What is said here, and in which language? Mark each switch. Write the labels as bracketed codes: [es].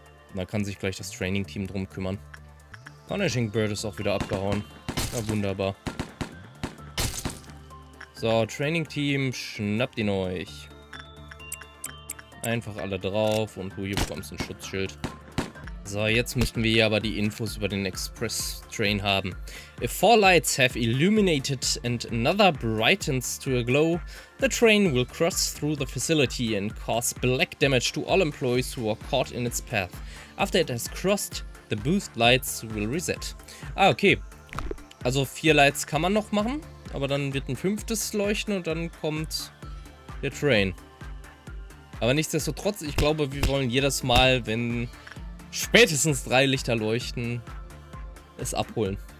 [de] Und da kann sich gleich das Training-Team drum kümmern. Punishing Bird ist auch wieder abgehauen. Ja, wunderbar. So, Training-Team, schnappt ihn euch. Einfach alle drauf und du hier bekommst ein Schutzschild. So, jetzt müssten wir hier aber die Infos über den Express-Train haben. [en] If 4 lights have illuminated and another brightens to a glow, the train will cross through the facility and cause black damage to all employees who are caught in its path. After it has crossed, The boost lights will reset. Ah, okay. [de] Also 4 Lights kann man noch machen, aber dann wird ein 5. leuchten und dann kommt der Train. Aber nichtsdestotrotz, ich glaube, wir wollen jedes Mal, wenn spätestens 3 Lichter leuchten, es abholen.